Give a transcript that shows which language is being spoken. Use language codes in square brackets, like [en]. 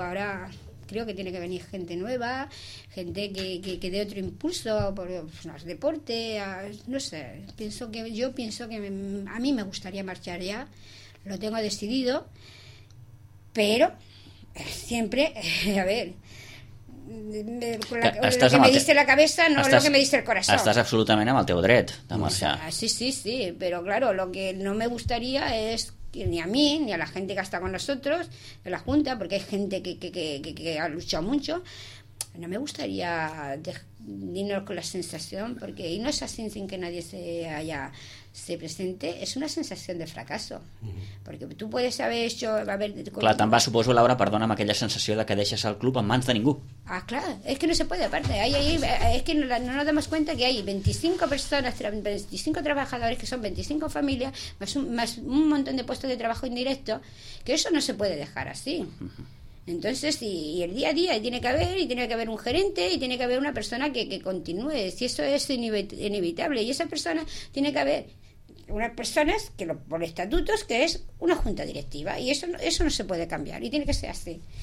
[es] Ahora creo que tiene que venir gente nueva, gente que dé otro impulso por los deportes, no sé, pienso que a mí me gustaría marchar ya, lo tengo decidido, pero siempre, a ver, lo que me dice el corazón. Estás absolutamente [ca] amb el teu dret de marxar. [es] Sí, pero claro, lo que no me gustaría es que ni a mí, ni a la gente que está con nosotros en la Junta, porque hay gente que ha luchado mucho, no me gustaría irnos con la sensación, porque y no es así sin que nadie se presente, es una sensación de fracaso, porque tú puedes haber hecho... [ca] Clar, te'n va, suposo, Laura, perdona'm, aquella sensació de que deixes el club en mans de ningú. [es] Ah, clar, es que no se puede, aparte, es que no nos damos cuenta que hay 25 personas, 25 trabajadores, que son 25 familias, más un montón de puestos de trabajo indirecto, que eso no se puede dejar así. Entonces, y el día a día tiene que haber un gerente y tiene que haber una persona que continúe, si eso es inevitable, y esa persona tiene que haber unas personas que por estatutos, que es una junta directiva, y eso no se puede cambiar y tiene que ser así.